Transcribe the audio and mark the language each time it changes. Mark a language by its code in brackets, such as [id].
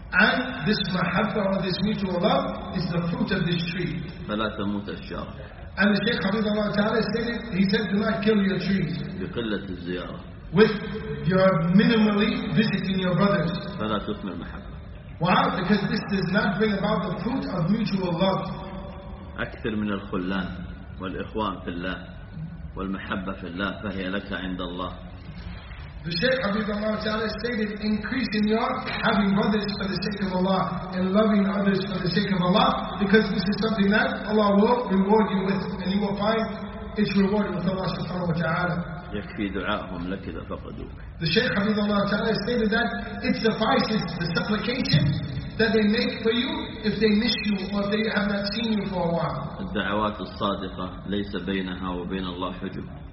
[en] And this mahabba or this mutual love is the fruit of this tree. [ar] فلا تموت الشجرة. [en] And the Shaykh Hafizullah Ta'ala stated, he said, do not kill your trees. [ar] بقلة الزيارة. [en] With your minimally visiting your brothers. [ar] فلا تثمر المحبة. [en] Why? Because this does not bring about the fruit of mutual love. [ar] أكثر من الخلان والإخوان في الله والمحبة في الله فهي لك عند الله. [en] The Shaykh Hafizullah Ta'ala stated, increase in your having brothers for the sake of Allah and loving others for the sake of Allah, because this is something that Allah will reward you with, and you will find its reward with Allah subhanahu wa ta'ala. [ar] يكفي دعاءهم لك إذا فقدوك. [en] The Shaykh Hafizullah Ta'ala stated that it suffices the supplication that they make for you if they miss you or they have not seen you for a while. [ar] الدعوات الصادقة ليس بينها وبين الله حجب.